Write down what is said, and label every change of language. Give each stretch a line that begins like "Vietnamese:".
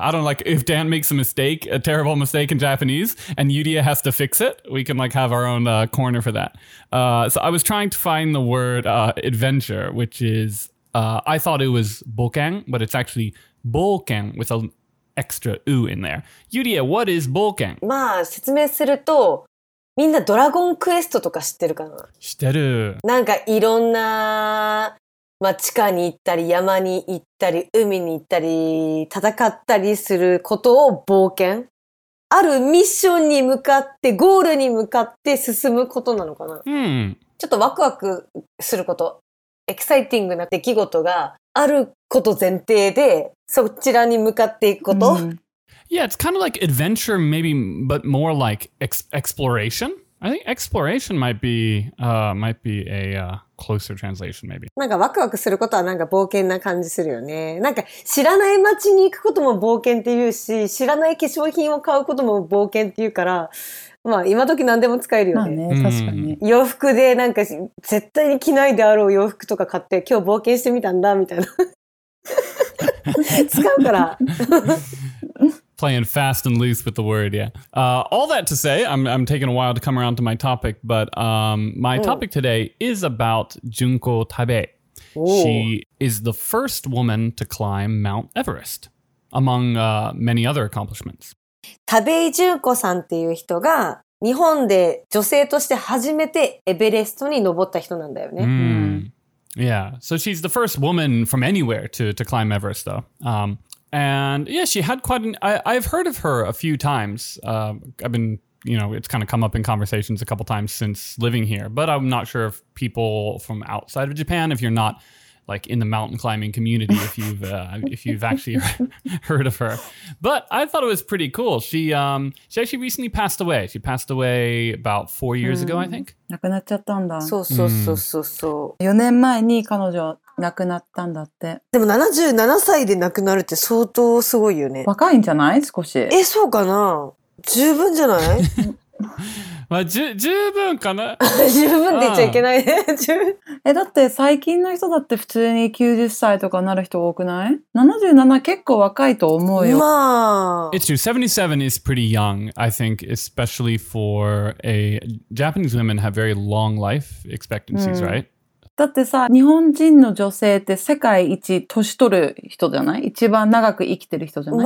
English: I don't like if Dan makes a mistake, a terrible mistake in Japanese, and Yuria has to fix it, we can like have our own corner for that. So I was trying to find the word adventure, which is... I thought it was bōken, but it's actually bōken with an extra u in there. Yuria, what is bōken?
Japanese: まあ、説明すると、みんなドラゴンクエストとか知ってるかな? 知ってる。なんかいろんな、まあ、地下に行ったり、山に行ったり、海に行ったり、戦ったりすることを bōken? あるミッションに向かって、ゴールに向かって進むことなのかな? ちょっとワクワクすること。エキサイティングな出来事があること前提でそちらに向かっていくこと、
English: Yeah, it's kind of like adventure maybe, but more like exploration. I think exploration might be a closer translation maybe.
Japanese: なんかワクワクすることはなんか冒険な感じするよね。なんか知らない街に行くことも冒険っていうし、知らない化粧品を買うことも冒険っていうから、まあ今時何でも使えるよね。まあね、確かに。洋服でなんか絶対に着ないであろう洋服とか買って、今日冒険してみたんだ、みたいな。使うから。
English: Playing fast and loose with the word, yeah. All that to say, I'm taking a while to come around to my topic, but my topic today is about Junko Tabe. She is the first woman to climb Mount Everest, among many other accomplishments.
Japanese: Tabei Junko さんっていう人が日本で女性として初めてエベレストに登った人なんだよね。
English: Yeah, so she's the first woman from anywhere to climb Everest, though. And yeah, she had quite an... I've heard of her a few times. I've been, you know, it's kind of come up in conversations a couple times since living here. But I'm not sure if people from outside of Japan, if you're not like in the mountain climbing community, if you've actually heard of her. But I thought it was pretty cool. She actually recently passed away. She passed away about 4 years ago, I think.
Japanese: 亡くなっちゃったんだ。そうそうそうそうそう。 4年前に彼女亡くなったんだって。でも77歳で亡くなるって相当すごいよね。若いんじゃない？少し。え、そうかな？十分じゃない？まあ、十分かな。十分って言っちゃいけないね。十分。え、だって最近の人だって普通に90歳とかなる人多くない？ 77 結構若いと思うよ。まあ。
English: It's true. 77 is pretty young, I think, especially for a... Japanese women have very long life expectancies, right?
Japanese: だってさ、日本人の女性って世界一年取る人じゃない？一番長く生きてる人じゃない？